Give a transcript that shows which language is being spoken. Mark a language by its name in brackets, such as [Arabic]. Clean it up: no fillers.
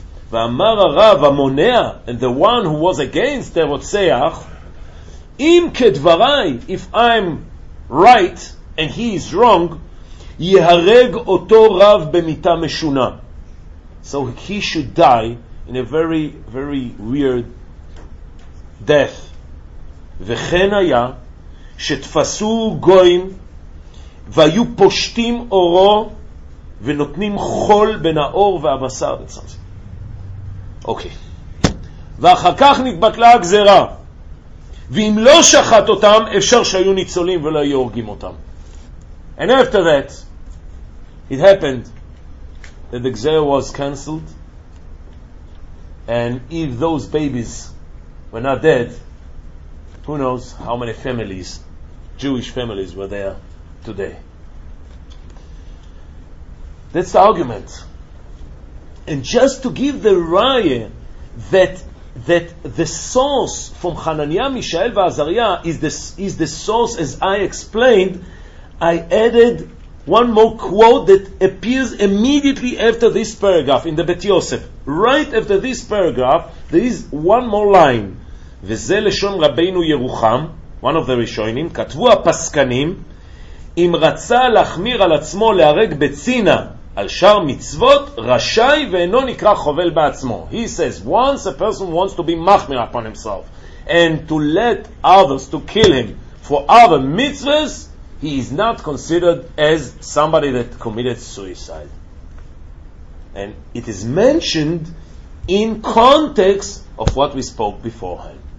[Hebrew] ואמר הרב המונה, [English] and the one who was against the rotzeach, [Hebrew] אם כדבריי, [English] if I'm right and he is wrong, [Hebrew] יהרג אותו רב במיטה משונה. [English] So he should die in a very, very weird death. [Hebrew] וכן היה שתפסו גויים והיו פושטים אורו ונותנים חול בין האור והבשר. [English] אוקיי. [Hebrew] ואחר כך נתבטלה הגזרה, ואם לא שחט אותם אפשר שהיו ניצולים ולא היו הורגים אותם. [English] And after that it happened that the gzera was cancelled, and if those babies were not dead, who knows how many families, Jewish families, were there today. That's the argument. And just to give the raya that the source from Hananiah, Mishael, Azariah is the source, as I explained, I added one more quote that appears immediately after this paragraph in the Bet Yosef. Right after this paragraph, there is one more line. [Hebrew] וזה לשון רבינו ירוחם. [English] One of the Rishonim, [Hebrew] כתבו הפסקנים, אם רצה להחמיר על עצמו להרג בצינה על שאר מצוות, רשאי ואינו נקרא חובל בעצמו. [English] He says, once a person wants to be machmir upon himself and to let others to kill him for other mitzvahs, he is not considered as somebody that committed suicide. And it is mentioned in context of what we spoke beforehand.